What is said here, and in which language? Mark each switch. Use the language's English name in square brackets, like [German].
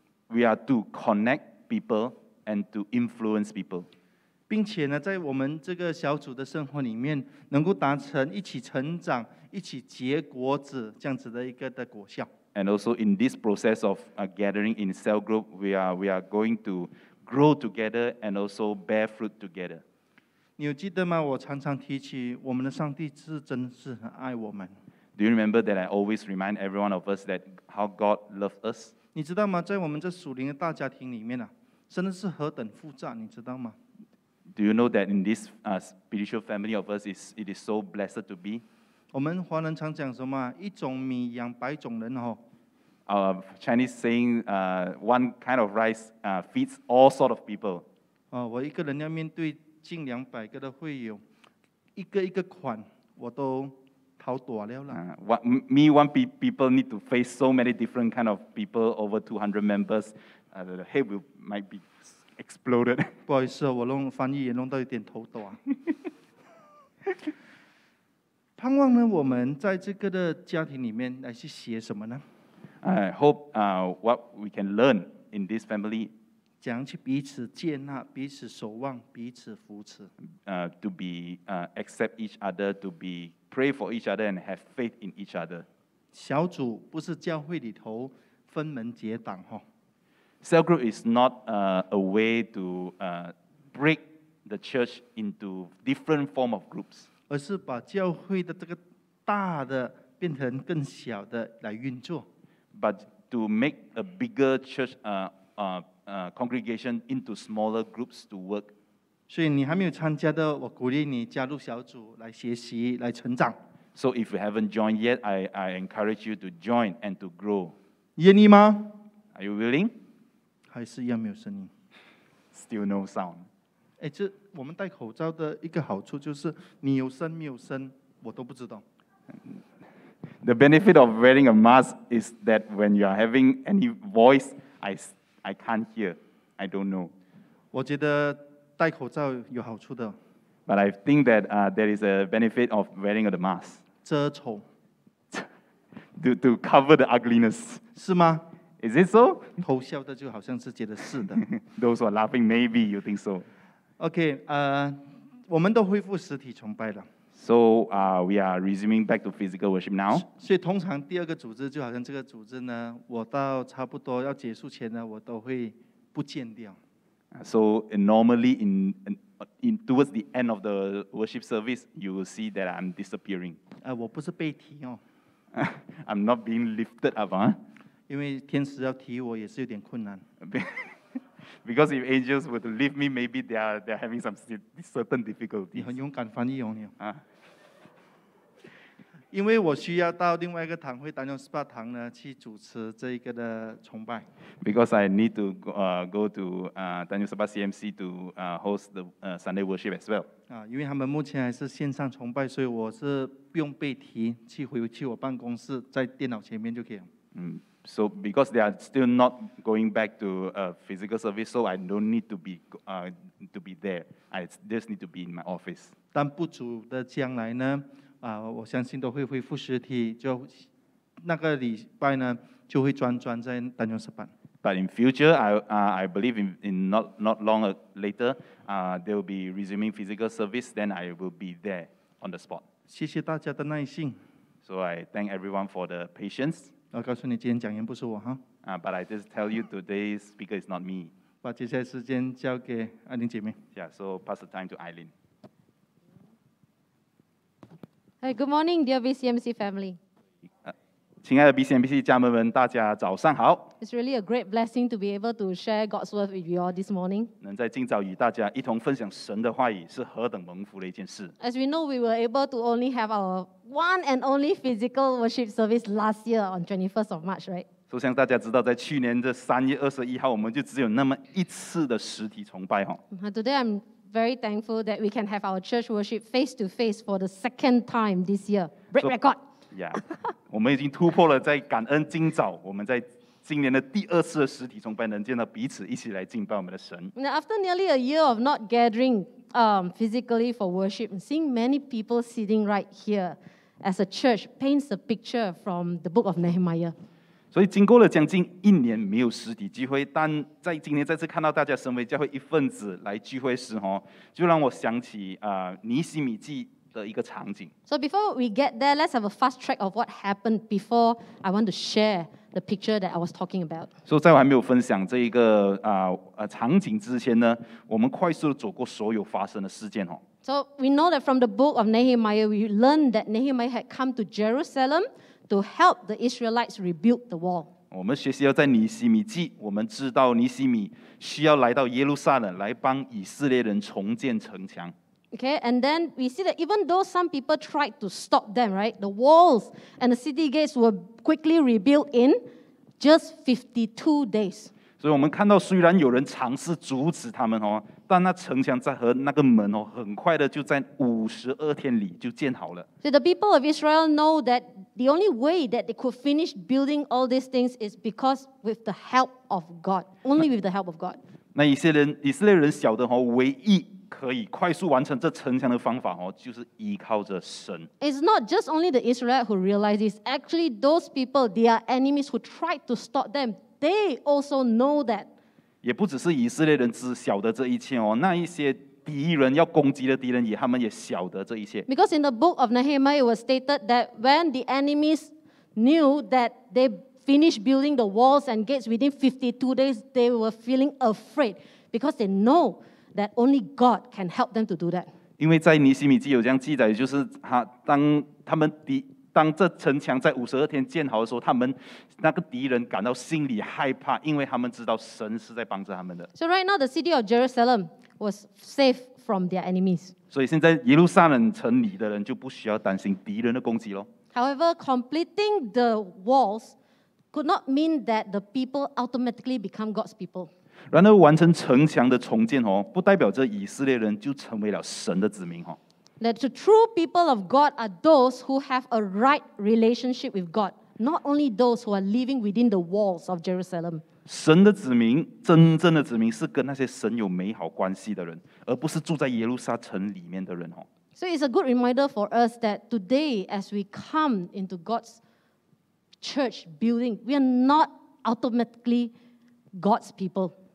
[English] We are to connect people and to influence people. [Chinese] 并且呢，在我们这个小组的生活里面，能够达成一起成长、一起结果子这样子的一个的果效。 [English] And also in this process of gathering in cell group, we are going to grow together and also bear fruit together. [Chinese] 你有记得吗？我常常提起我们的上帝是真是很爱我们。 [English] Do you remember that I always remind everyone of us that how God loves us? [Chinese] 你知道吗？在我们这属灵的大家庭里面啊，真的是何等复杂，你知道吗？ [English] Do you know that in this spiritual family of us, it is so blessed to be? [Chinese] 我们华人常讲什么？一种米养百种人哦。 [English] Our Chinese saying, one kind of rice feeds all sort of people. [Chinese] 我一个人要面对近两百个的会友，一个一个款，我都逃躲了啦。 [English] One people need to face so many different kind of people, over 200 members. The head will might be. Exploded. [Chinese] 不好意思，我弄翻译也弄到有点头抖啊。盼望呢，我们在这个的家庭里面来去学什么呢 [English] ？I hope what we can learn in this family. [Chinese] 怎样去彼此接纳、彼此守望、彼此扶持 [English] ？To be accept each other, to be pray for each other, and have faith in each other. [Chinese] 小组不是教会里头分门结党哈。 [English] Cell group is not a way to break the church into different form of groups. [Chinese] 而是把教会的这个大的变成更小的来运作。 [English] But to make a bigger church congregation into smaller groups to work. [Chinese] 所以你还没有参加的，我鼓励你加入小组来学习，来成长。 [English] So if you haven't joined yet, I encourage you to join and to grow. [Chinese] 愿意吗？ [English] Are you willing? [Chinese] 还是一样没有声音 [English] ，still no sound。 [Chinese] 哎，这我们戴口罩的一个好处就是，你有声没有声，我都不知道。 [English] The benefit of wearing a mask is that when you are having any voice, I can't hear, I don't know。 [Chinese] 我觉得戴口罩有好处的。 [English] But I think that there is a benefit of wearing a mask。 [Chinese] 遮丑。 [English] To cover the ugliness。 [Chinese] 是吗？ [English] Is it so? [Chinese] 偷笑的就好像是觉得是的。 [English] Those who are laughing, maybe you think so. [Chinese] Okay, 我们都恢复实体崇拜了。 [English] So, we are resuming back to physical worship now. [Chinese] 所以通常第二个组织就好像这个组织呢，我到差不多要结束前呢，我都会不见掉。 [English] So, normally in towards the end of the worship service, you will see that I'm disappearing. [Chinese] 我不是被提哦。 [English] I'm not being lifted up, huh? [Chinese] 因为天使要提我也是有点困难。 [English] Because if angels were to leave me, maybe they are having some certain difficulties. [Chinese] 你很勇敢翻译哦，你。啊。因为我需要到另外一个堂会，丹阳斯巴堂呢，去主持这一个的崇拜。 [English] Because I need to go to 丹阳斯巴 CMC to host the Sunday worship as well. [Chinese] 因为他们目前还是线上崇拜，所以我是不用被提，去回去我办公室，在电脑前面就可以了。 [English] So because they are still not going back to a physical service, so I don't need to be there. I just need to be in my office. [Chinese] 但不久的将来呢，我相信都会恢复实体，就那个礼拜呢，就会专在丹阳石板。 [English] But in future, I believe in not long later, they will be resuming physical service. Then I will be there on the spot. [Chinese] 谢谢大家的耐心。 [English] So I thank everyone for the patience. [Chinese] 我告诉你，今天讲员不是我哈。 [English] But I just tell you today's speaker is not me. [Chinese] 把接下来时间交给阿玲姐妹。 [English] Yeah, so pass the time to Aileen. Hey, good morning, dear BCMC family. [Chinese] 亲爱的 BCMC 家人们，大家早上好。 [English] It's really a great blessing to be able to share God's word with you all this morning. [Chinese] 能在今早与大家一同分享神的话语，是何等蒙福的一件事。 [English] As we know, we were able to only have our one and only physical worship service last year on 21st of March, right? [Chinese] 就像大家知道，在去年的3月21号，我们就只有那么一次的实体崇拜哈。 [English] Today, I'm very thankful that we can have our church worship face to face for the second time this year. Break record. [Chinese] Yeah, 我们已经突破了，在感恩今早，我们在今年的第二次的实体崇拜，能见到彼此，一起来敬拜我们的神。 [English] Now, after nearly a year of not gathering physically for worship, seeing many people sitting right here as a church paints a picture from the book of Nehemiah. [Chinese] 所以经过了将近一年没有实体聚会，但在今年再次看到大家身为教会一份子来聚会时，就让我想起尼西米记。 [English] So before we get there, let's have a fast track of what happened before I want to share the picture that I was talking about. [Chinese] So 在我还没有分享这一个场景之前呢，我们快速的走过所有发生的事件哦。 [English] So we know that from the book of Nehemiah, we learned that Nehemiah had come to Jerusalem to help the Israelites rebuild the wall. [Chinese] 我们学习要在尼西米记，我们知道尼西米需要来到耶路撒冷来帮以色列人重建城墙。 [English] Okay, and then we see that even though some people tried to stop them, right, the walls and the city gates were quickly rebuilt in just 52 days. [Chinese] 所以我们看到虽然有人尝试阻止他们，但那城墙和那个门很快的就在52天里就建好了。 [English] So the people of Israel know that the only way that they could finish building all these things is because with the help of God, only with the help of God. [Chinese] 那以色列人晓得唯一可以快速完成这城墙的方法就是依靠着神。 [English] It's not just only the Israelites who realize this. Actually, those people, their enemies who tried to stop them, they also know that. [Chinese] 也不只是以色列人只晓得这一切那一些敌人要攻击的敌人他们也晓得这一切。 [English] Because in the book of Nehemiah, it was stated that when the enemies knew that they finished building the walls and gates within 52 days, they were feeling afraid because they know. That only God can help them to do that. [Chinese] 因为在尼西米记有这样记载，就是他当他们敌当这城墙在五十二天建好的时候，他们那个敌人感到心里害怕，因为他们知道神是在帮着他们的。 [English] So right now, the city of Jerusalem was safe from their enemies. [Chinese] 所以现在耶路撒冷城里的人就不需要担心敌人的攻击喽。 [English] However, completing the walls could not mean that the people automatically become God's people. [Chinese] 然而完成城墙的重建不代表着以色列人就成为了神的子民。 [English] That the true people of God are those who have a right relationship with God, not only those who are living within the walls of Jerusalem. [Chinese] 神的子民，真正的子民是跟那些神有美好关系的人，而不是住在耶路撒城里面的人。 [English] So it's a good reminder for us that today, as we come into God's church building, we are not automatically God's people.